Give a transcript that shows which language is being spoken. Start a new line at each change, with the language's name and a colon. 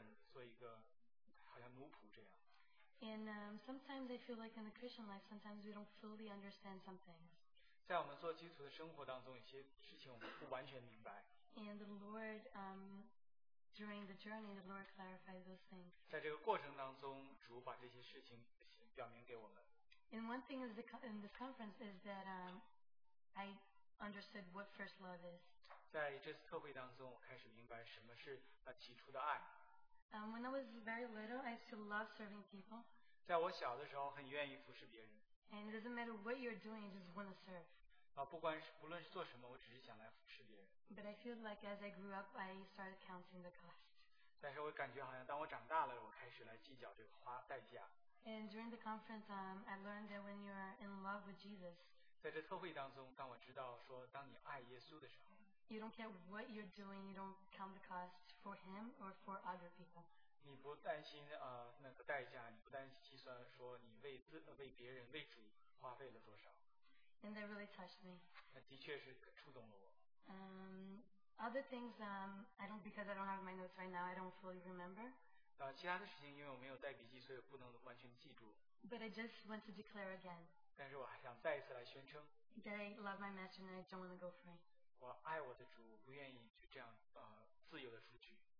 Chinese: 这次对我来说很特别的就是这一个关于做一个仆人，做一个好像奴仆这样.
English: And sometimes I feel like in the Christian life, sometimes we don't fully understand some things.
Chinese: 在我们做基础的生活当中，有些事情我们不完全明白.
English: And the Lord, during the journey, the Lord clarified those things.
Chinese: 在这个过程当中，主把这些事情表明给我们.
English: And one thing is in this conference is that I understood what first love is.
Chinese: 在这次特会当中，我开始明白什么是那起初的爱.
English: When I was very little, I used to love serving people.
Chinese: 在我小的时候，很愿意服侍别人.
English: And it doesn't matter what you're doing, you just want to serve.
Chinese: 不论是做什么，我只是想来服侍别人.
English: But I feel like as I grew up, I started counting the cost.
Chinese: 但是我感觉好像当我长大了，我开始来计较这个花代价.
English: And during the conference, I learned that when you are in love with Jesus,
Chinese: 在这特会当中，当我知道说当你爱耶稣的时候，
English: you don't care what you're doing, you don't count the cost for him or for other people.
Chinese: 你不担心那个代价，你不担心计算说你为别人为主花费了多少。
English: And that really touched me.
Chinese: 那的确是触动了我。
English: Other things, I don't, because I don't have my notes right now, I don't fully remember.
Chinese: 其他的事情因为我没有带笔记，所以不能完全记住。
English: But I just want to declare again.
Chinese: 但是我还想再一次来宣称。
English: That I love my master and I don't want to go free.
Chinese: 我爱我的主，不愿意去这样 自由的出去。